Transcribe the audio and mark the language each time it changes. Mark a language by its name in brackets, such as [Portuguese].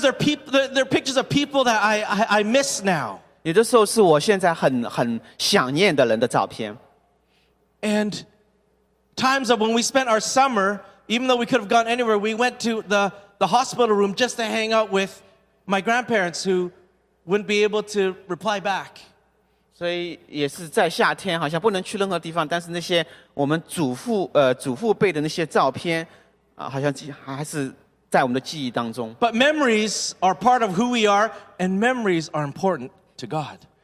[English] there are pictures of people that I miss now. [Chinese] 有的时候是我现在很想念的人的照片。 [English] And times of when we spent our summer, even though we could have gone anywhere, we went to the hospital room just to hang out with my grandparents who wouldn't be able to reply back. [Chinese] 所以也是在夏天，好像不能去任何地方，但是那些我们祖父辈的那些照片，好像还是在我们的记忆当中。 [English] But memories are part of who we are, and memories are important to God.